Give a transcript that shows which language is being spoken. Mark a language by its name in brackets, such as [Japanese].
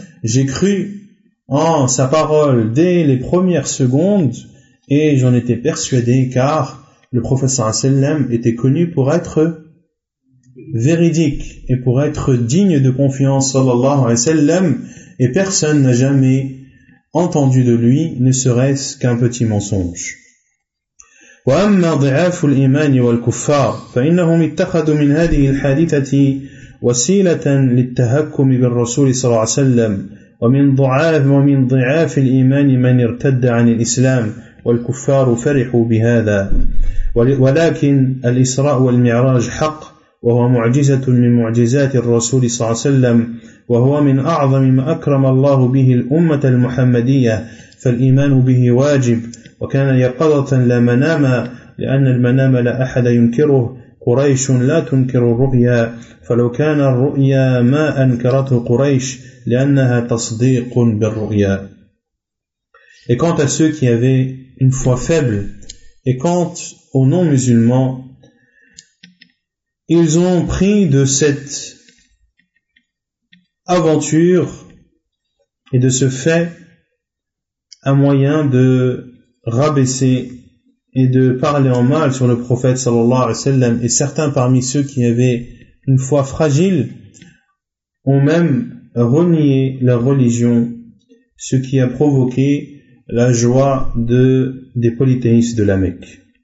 [French] J'ai cru en sa parole dès les premières secondes et j'en étais persuadé car le prophète sallallahu alayhi wa sallam était connu pour être véridique et pour être digne de confiance sallallahu alayhi wa sallam et personne n'a jamais entendu de lui ne serait-ce qu'un petit mensonge. [Arabic] وأما ضعاف الإيمان والكفار فإنهم اتخذوا من هذه الحادثة وسيلة للتهكم بالرسول صلى الله عليه وسلم ومن ضعاف الإيمان من ارتد عن الإسلام والكفار فرحوا بهذا ولكن الإسراء والمعراج حق وهو معجزة من معجزات الرسول صلى الله عليه وسلم وهو من أعظم ما أكرم الله به الأمة المحمدية فالإيمان به واجب وكان يقظة لا منام لأن المنام لا أحد ينكره قريش لا تنكر الرؤيا فلو كان الرؤيا ما أنكرته قريش لأنها تصديق بالرؤيا. [French] Et quant à ceux qui avaient une foi faible et quant aux non-musulmans, ils ont pris de cette aventure et de ce fait un moyen de rabaisser et de parler en mal sur le prophète sallallahu alayhi wa sallam, et certains parmi ceux qui avaient une foi fragile ont même renié la religion, ce qui a provoqué la joie des polythéistes de la Mecque.